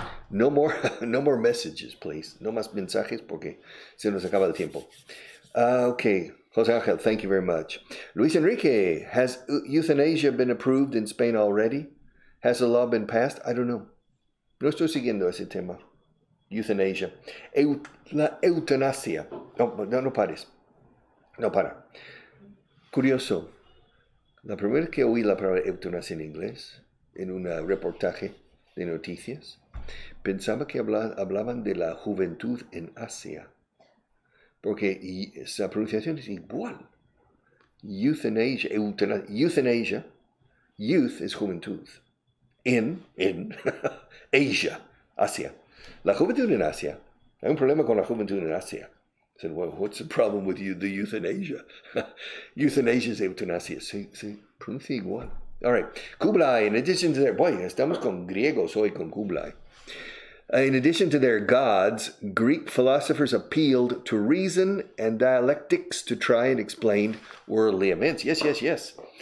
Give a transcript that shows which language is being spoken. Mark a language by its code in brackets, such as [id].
[en] No more messages, please. [es] No más mensajes porque se nos acaba el tiempo. [en] Okay, José Ángel, thank you very much. Luis Enrique, has euthanasia been approved in Spain already? Has the law been passed? I don't know. [es] No estoy siguiendo ese tema. [en] Euthanasia. [es] La eutanasia. No pares. No para. Curioso. La primera que oí la palabra eutanasia en inglés, en un reportaje de noticias, pensaba que hablaban de la juventud en Asia. Porque esa pronunciación es igual. Euthanasia. Youth es juventud. [en] In Asia. [es] Asia. La juventud en Asia. Hay un problema con la juventud en Asia. [en] I said, well, what's the problem with you, the youth in Asia? Euthanasia is [es] eutanasia. Sí, pronuncia igual. [en] All right. [es] Kublai, [en] in addition to their... [es] Boy, estamos con griegos hoy con Kublai. [en] In addition to their gods, Greek philosophers appealed to reason and dialectics to try and explain worldly events. Yes.